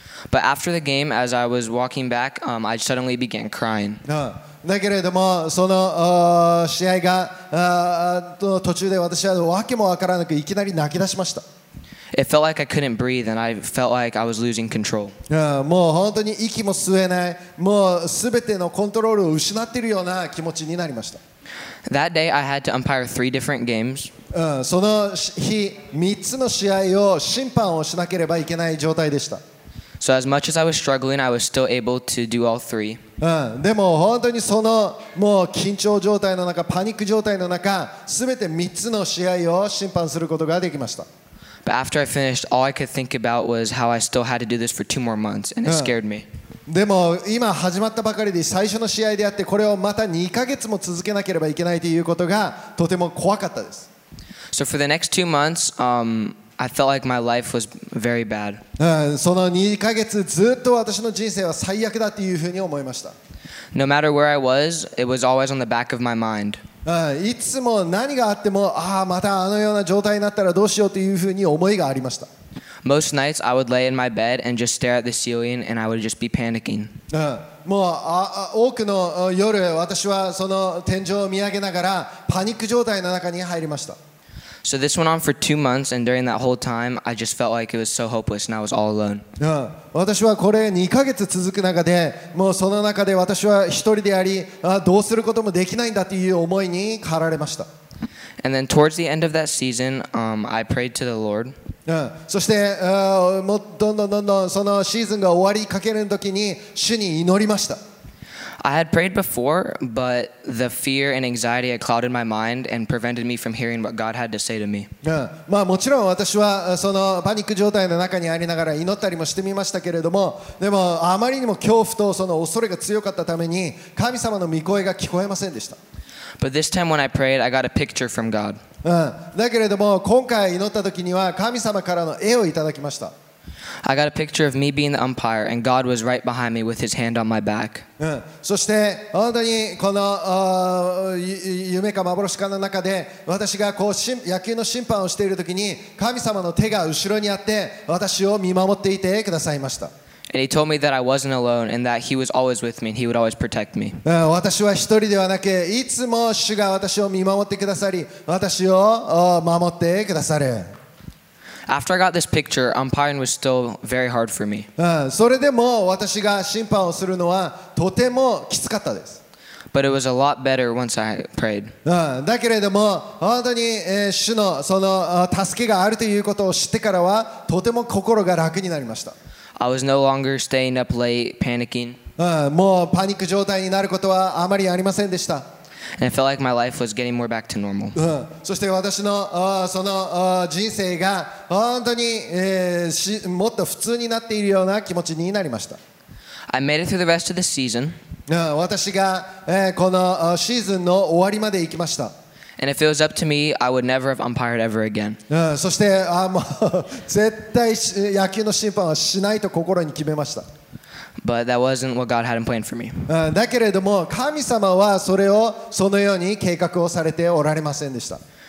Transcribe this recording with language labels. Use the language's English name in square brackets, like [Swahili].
[English] But after the game, as I was walking back, I suddenly began crying. [Japanese] だけれどもその試合が途中で私はわけもわからなくいきなり泣き出しました。 [English] It felt like I couldn't breathe, and I felt like I was losing control. [Japanese] もう本当に息も吸えない、もうすべてのコントロールを失っているような気持ちになりました。 [English] That day, I had to umpire three different games. [Japanese] その日、三つの試合を審判をしなければいけない状態でした。 [English] So as much as I was struggling, I was still able to do all three. [Japanese] でも本当にそのもう緊張状態の中、パニック状態の中、すべて三つの試合を審判することができました。 [English] But after I finished, all I could think about was how I still had to do this for two more months, and it scared me. [Japanese] でも今始まったばかりで最初の試合であってこれをまた2ヶ月も続けなければいけないということがとても怖かったです。 [English] So for the next two months, I felt like my life was very bad. [Japanese] その2ヶ月ずっと私の人生は最悪だというふうに思いました。 [English] No matter where I was, it was always on the back of my mind. [Japanese] いつも何があってもああまたあのような状態になったらどうしようというふうに思いがありました。 [English] Most nights I would lay in my bed and just stare at the ceiling and I would just be panicking. [Japanese] もう多くの夜私はその天井を見上げながらパニック状態の中に入りました。 [English] So this went on for two months and during that whole time I just felt like it was so hopeless and I was all alone. [Japanese] 私はこれ2ヶ月続く中でもうその中で私は一人でありどうすることもできないんだという思いに駆られました。 [English] And then towards the end of that season, I prayed to the Lord. [Japanese] そしてもうどんどんどんどんそのシーズンが終わりかける時に主に祈りました。 [English] I had prayed before, but the fear and anxiety had clouded my mind and prevented me from hearing what God had to say to me. [Japanese] まあもちろん私はそのパニック状態の中にありながら祈ったりもしてみましたけれども、でもあまりにも恐怖とその恐れが強かったために神様の御声が聞こえませんでした。 [English] But this time when I prayed, I got a picture from God. [Japanese] だけれども今回祈った時には神様からの絵をいただきました。 [English] I got a picture of me being the umpire, and God was right behind me with his hand on my back. [Japanese] そして本当にこの夢か幻かの中で私がこう野球の審判をしているときに神様の手が後ろにあって私を見守っていてくださいました。 [English] And he told me that I wasn't alone and that he was always with me and he would always protect me. [Japanese] 私は一人ではなく、いつも主が私を見守ってくださり、私を守ってくださる。 [English] After I got this picture, umpiring was still very hard for me. [Japanese] それでも私が審判をするのはとてもきつかったです。 [English] But it was a lot better once I prayed. [Japanese] だけれども本当に主のその助けがあるということを知ってからはとても心が楽になりました。 [English] I was no longer staying up late panicking. [Japanese] もうパニック状態になることはあまりありませんでした。 [English] And it felt like my life was getting more back to normal. [Japanese] そして私のその人生が本当にもっと普通になっているような気持ちになりました。 [English] I made it through the rest of the season. [Japanese] 私がこのシーズンの終わりまで行きました。 [English] And if it was up to me, I would never have umpired ever again. [Japanese] そして絶対野球の審判はしないと心に決めました。 [English] But that wasn't what God had planned for me. [Japanese] だけれども神様はそれをそのように計画をされておられませんでした。